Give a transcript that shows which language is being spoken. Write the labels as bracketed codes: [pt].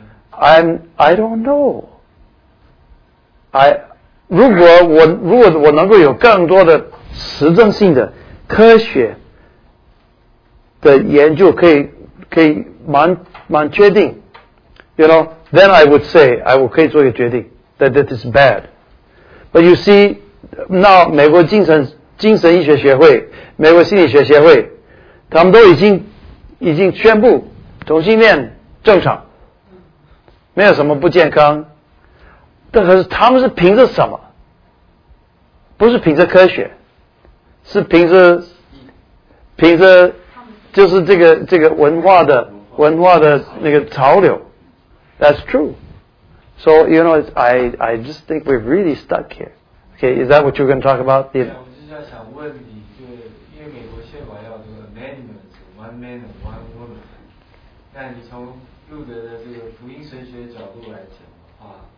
[en] I don't know， I [zh] 如果我能够有更多的实证性的科学的研究可以蛮确定 ， [en] you know? Then I would say I will [zh] 可以做一个决定 [en] that is bad. But you see, now [zh] 美国精神医学协会、美国心理学协会，他们都已经宣布同性恋正常，没有什么不健康。但可是他们是凭着什么？不是凭着科学。是凭着就是这个文化的那个潮流 [en] That's true. So, you know, I just think we're really stuck here. Okay, is that what you're going to talk about? Yeah, [zh] 我们就是想问你，就因为美国宪法要这个 amendment, [en] one man, one woman, [zh] 但你从路德的这个福音神学角度来讲，